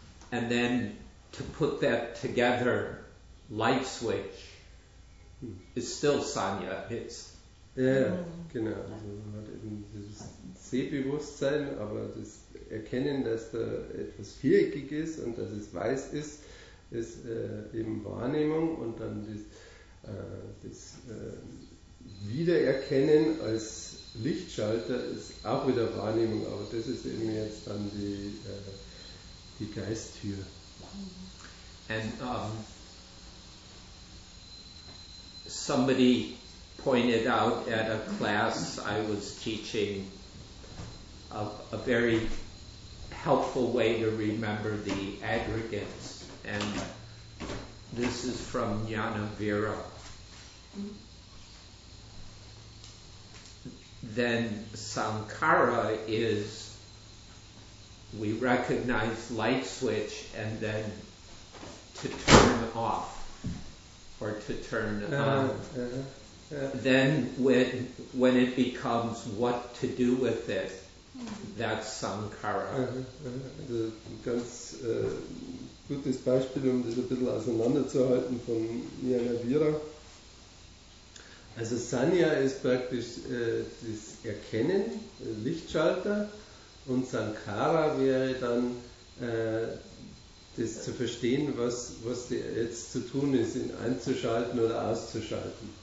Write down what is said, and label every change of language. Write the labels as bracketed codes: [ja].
[en] And then to put that together, light switch is still sanya. It's [de] genau. Also man hat eben dieses Sehbewusstsein, aber das Erkennen, dass da etwas viereckig ist und dass es weiß ist, ist eben Wahrnehmung und dann das Wiedererkennen als Lichtschalter ist auch wieder Wahrnehmung, aber das ist eben jetzt dann die Geisttür. [en] And somebody pointed out at a class I was teaching a very helpful way to remember the aggregates, and this is from Jnanavira. Then Sankara is, we recognize light switch and then to turn off or to turn on. Yeah. Then when it becomes what to do with it, that's Sankara. [de] Also ganz gutes Beispiel, um das ein bisschen auseinanderzuhalten, von Jnanavira. Also Sanya ist praktisch das Erkennen, Lichtschalter, und Sankara wäre dann das zu verstehen, was jetzt zu tun ist, ihn einzuschalten oder auszuschalten.